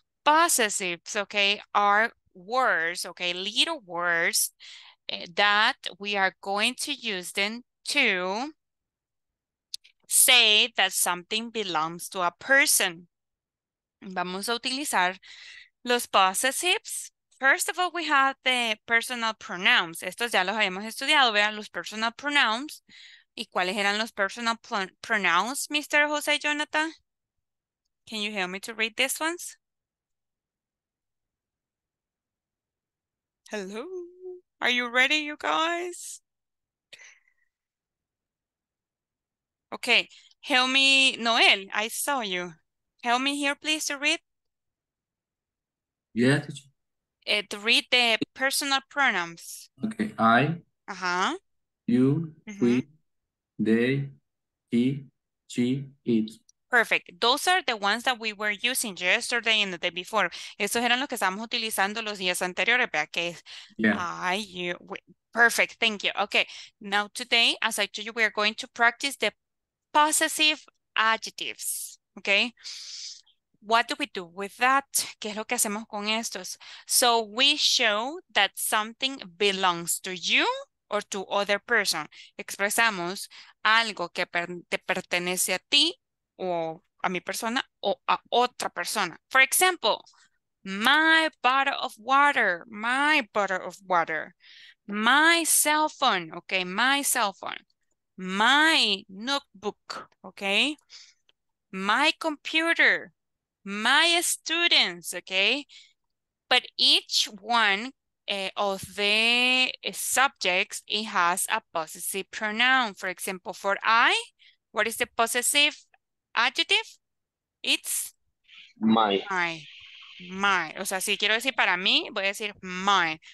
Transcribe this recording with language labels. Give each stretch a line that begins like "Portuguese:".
English: Possessives, okay, are words, okay, little words that we are going to use them to say that something belongs to a person.
Spanish: Vamos a utilizar los possessives.
English: First of all, we have the personal pronouns.
Spanish: Estos ya los habíamos estudiado, vean los personal pronouns. ¿Y cuáles eran los personal pronouns, Mr. Jose Jonathan?
English: Can you help me to read these ones? Hello? Are you ready, you guys? Okay, help me, Noel, I saw you. Help me here, please, to read. Yeah, teacher. To read the personal pronouns. Okay, I. Uh-huh. You, mm-hmm. We, they, he, she, it. Perfect. Those are the ones that we were using yesterday and the day before.
Spanish: Esos eran los que estábamos utilizando los días anteriores, ¿verdad? Que es,
English: yeah. I, you, we. Perfect. Thank you. Okay. Now, today, as I told you, we are going to practice the possessive adjectives, okay? What do we do with that?
Spanish: ¿Qué es lo que hacemos con estos?
English: So we show that something belongs to you or to other person.
Spanish: Expresamos algo que te pertenece a ti o a mi persona o a otra persona.
English: For example, my bottle of water, my bottle of water. My cell phone, okay, my cell phone. My notebook, okay? My computer, my students, okay? But each one of the subjects, it has a possessive pronoun. For example, for I, what is the possessive adjective? It's? My. My. My.
Spanish: O sea, si quiero decir para mí, voy a decir my.